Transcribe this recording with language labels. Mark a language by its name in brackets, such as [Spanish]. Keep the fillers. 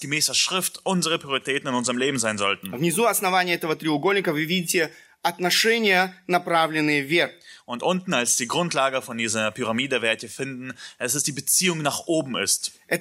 [German] gemäß der Schrift unsere Prioritäten in unserem Leben sein sollten. [Russian] Внизу основания этого треугольника вы видите отношения, направленные вверх. [German] und unten als die Grundlage von dieser Pyramide werdet ihr finden, es ist die Beziehung die nach oben ist.